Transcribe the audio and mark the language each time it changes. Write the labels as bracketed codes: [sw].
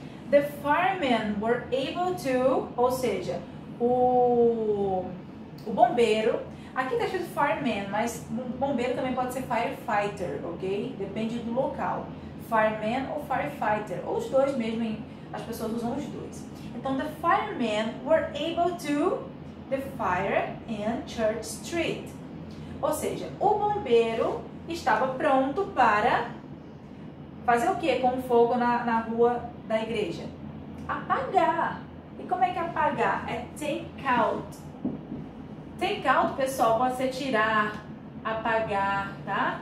[en] The firemen were able to, [pt] ou seja, o bombeiro. Aqui está escrito fireman, mas bombeiro também pode ser firefighter, ok? Depende do local. Fireman ou firefighter, ou os dois mesmo, as pessoas usam os dois. [en] Então, the firemen were able to the fire in Church Street. [pt] Ou seja, o bombeiro estava pronto para fazer o quê com o fogo na rua da igreja? Apagar. E como é que é apagar? É take out. Take out, pessoal, pode ser tirar, apagar, tá?